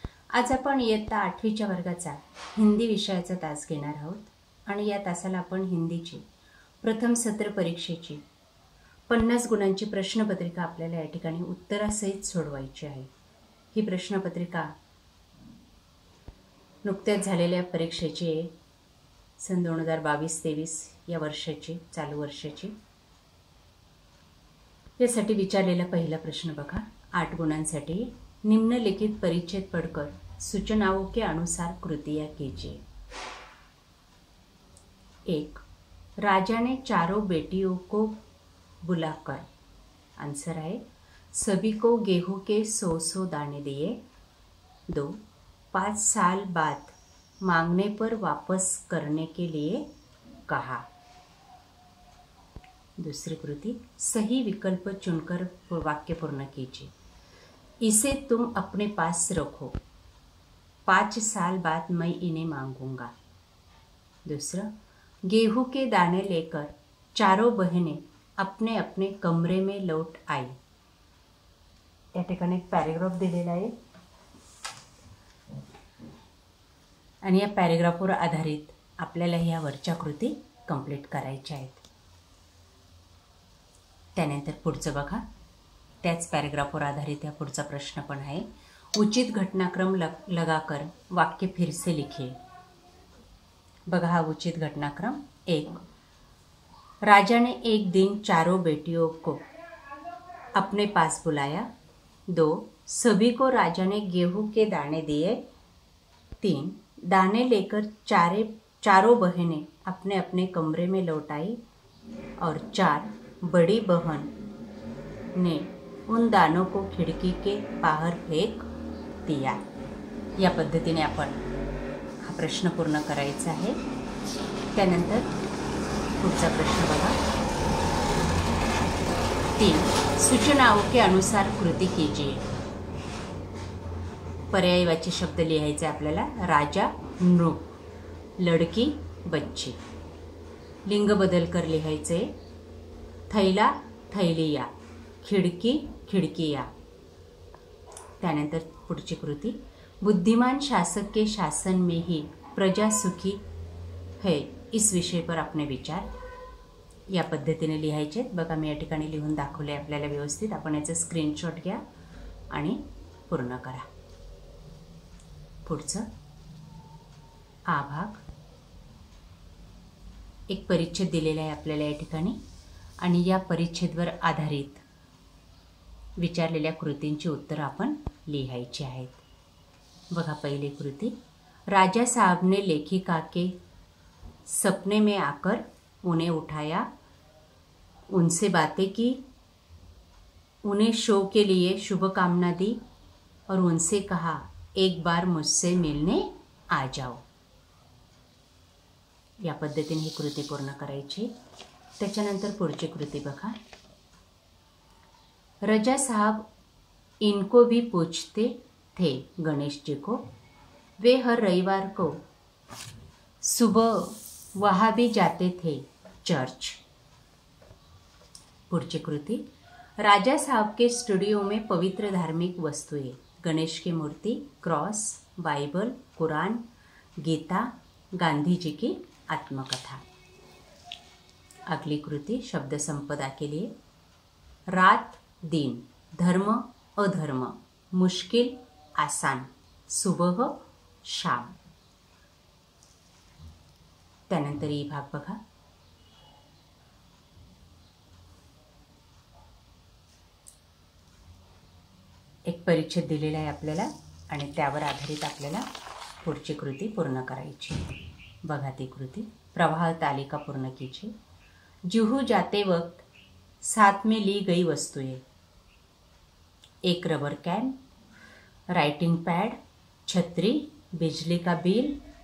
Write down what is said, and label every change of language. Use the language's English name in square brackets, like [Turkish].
[Marathi] आज आपण इयत्ता 8वीच्या वर्गाचा हिंदी विषयाचा तास घेणार आहोत आणि या तासाला आपण हिंदीची प्रथम सत्र परीक्षेची 50 गुणांची प्रश्नपत्रिका आपल्याला या ठिकाणी उत्तरासहित सोडवायची आहे. ही प्रश्नपत्रिका नुकत्याच झालेल्या परीक्षेची आहे, सन 2022-23 या वर्षाची, चालू वर्षाची. यासाठी विचारलेला पहिला प्रश्न बघा. [Hindi] 8 गुणांसाठी निम्नलिखित परिच्छेद पडकर सूचनाओं के अनुसार कृतिया कीजिए. 1. राजा ने चारों बेटियों को बुलाकर, आंसर है, सभी को गेहूं के 100-100 दाने दिए. 2. 5 साल बाद मांगने पर वापस करने के लिए कहा. दूसरी कृति, सही विकल्प चुनकर वाक्य पूर्ण कीजिए. इसे तुम अपने पास रखो, 5 साल बाद मैं इन्हें मांगूंगा. दूसरा, गेहूं के दाने लेकर चारों बहनें अपने अपने कमरे में लौट आई. [Marathi] या ठिकाणी एक पैरेग्राफ दिलेला आहे आणि या पॅरेग्राफवर आधारित आपल्याला ह्या वरच्या कृती कंप्लीट करायच्या आहेत. त्यानंतर पुढचं बघा, त्याच पॅरेग्राफवर आधारित ह्या पुढचा प्रश्न पण आहे. [Hindi] उचित घटनाक्रम लगाकर वाक्य फिरसे लिखिए. [Marathi] बघा हा उचित घटनाक्रम. 1. [Hindi] राजाने एक दिन चारों बेटियों को अपने पास बुलाया. 2. सभी को राजाने गेहूं के दाने दिए. 3. दाने लेकर चारों बहनें अपने अपने कमरे में लौट आई. और 4. बड़ी बहन ने उन दानों को खिड़की के बाहर फेंक दिया. [Marathi] या पद्धति ने अपन हा प्रश्न पूर्ण कराएचा है. त्यानंतर पुढचा प्रश्न बघा. 3. [Hindi] सूचनाओं के अनुसार कृति कीजिए. [Marathi] पर्यायवाची शब्द लिहायचे आपल्याला. [Hindi] राजा, नृप, लड़की, बच्ची. [Marathi] लिंग बदल कर लिहायचे. थैला, थैलिया. [Hindi] खिड़की, खिड़किया. [Marathi] त्यानंतर पुढची कृती, [Hindi] बुद्धिमान शासक के शासन में ही प्रजा सुखी है, इस विषय पर अपने विचार. [Marathi] या पद्धतीने लिहायचे. बघा मी या ठिकाणी लिहून दाखवले आपल्याला व्यवस्थित. आपण याचं स्क्रीनशॉट घ्या आणि पूर्ण करा. पुढचं आ भाग. एक परिच्छेद दिलेला आहे आपल्याला या ठिकाणी आणि या परिच्छेदवर आधारित विचारलेल्या कृतींची उत्तरं आपण लिहायची आहेत. बघा पहिली कृती, [Hindi] राजा साहबने लेखिका के सपने में आकर उन्हें उठाया, उनसे बातें की, उन्हें शो के लिए शुभकामना दी और उनसे कहा, एक बार मुझसे मिलने आ जाओ. [Marathi] या पद्धतीने ही कृती पूर्ण करायची. त्याच्यानंतर पुढची कृती बघा, [Hindi] रजा साहब इनको भी पूछते थे गणेश जी को, वे हर रविवार को सुबह वहाँ भी जाते थे चर्च. [Marathi] पुढची कृती, [Hindi] राजा साहब के स्टूडियो में पवित्र धार्मिक वस्तुएं, गणेश की मूर्ति, क्रॉस, बाइबल, कुरान, गीता, गांधी जी की आत्मकथा. अगली कृति शब्द संपदा के लिए, रात दिन, धर्म अधर्म, मुश्किल आसान, सुबह शाम. [Marathi] त्यानंतर ही भाग बघा, एक परिच्छेद दिलेला आहे आपल्याला आणि त्यावर आधारित आपल्याला पुढची कृती पूर्ण करायची. बघा ती कृती, [Hindi] प्रवाह तालिका पूर्ण कीजिए. जुहू जाते वक्त साथ में ली गई वस्तुएं, एक रबर कैन, राइटिंग पैड, छतरी, बिजली का बिल.